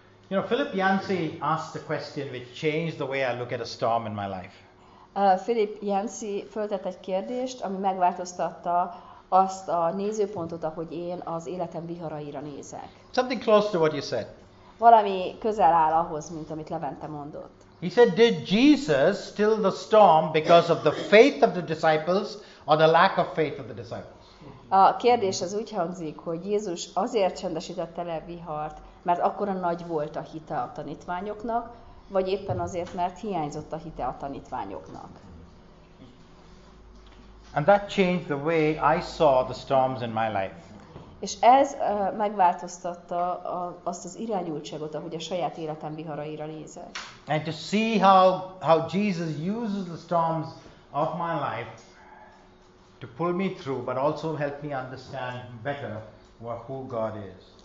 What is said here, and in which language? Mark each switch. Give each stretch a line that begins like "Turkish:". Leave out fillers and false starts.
English: You know, Philip Yancey asked a question which changed the way I look at a storm in my life.
Hungarian: Philip Jensi föltett egy kérdést, ami megváltoztatta azt a nézőpontot, ahogy én az életem viharaira nézek.
English: Something close to what you said.
Hungarian: Valami közel áll ahhoz, mint amit Levente mondott.
English: He said, did Jesus still the storm because of the faith of the disciples or the lack of faith of the disciples?
Hungarian: A kérdés az úgy hangzik, hogy Jézus azért csendesítette le vihart, mert akkora nagy volt a hite a tanítványoknak, vagy éppen azért, mert hiányzott a hite a tanítványoknak.
English: And that changed the way I saw the storms in my life.
Hungarian: És ez megváltoztatta azt az irányultságot, ahogy a saját életem viharaira nézek.
English: And to see how Jesus uses the storms of my life to pull me through, but also help me understand better who God is.